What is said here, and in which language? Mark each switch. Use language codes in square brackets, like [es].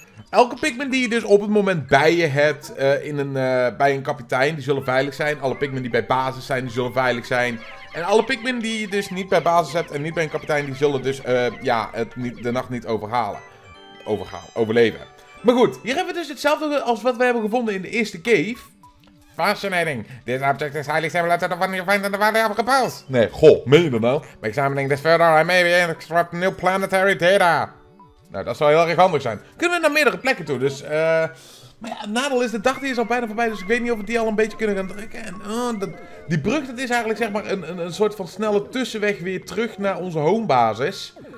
[nl] Elke Pikmin die je dus op het moment bij je hebt bij een kapitein, die zullen veilig zijn. Alle Pikmin die bij basis zijn, die zullen veilig zijn. En alle Pikmin die je dus niet bij basis hebt en niet bij een kapitein, die zullen dus de nacht niet overhalen. Overleven. Maar goed, hier hebben we dus hetzelfde als wat we hebben gevonden in de eerste cave. [en] Fascinating. This object is highly similar to the one you find in the Valley of Repels. [nl] Nee, goh, meen je dat nou? [en] By examining this further, I may be able to extract new planetary data. [nl] Nou, dat zou heel erg handig zijn. Kunnen we naar meerdere plekken toe, dus... Maar ja, het nadeel is, de dag die is al bijna voorbij, dus ik weet niet of we die al een beetje kunnen gaan drukken. En die brug, dat is eigenlijk zeg maar een soort van snelle tussenweg weer terug naar onze homebasis.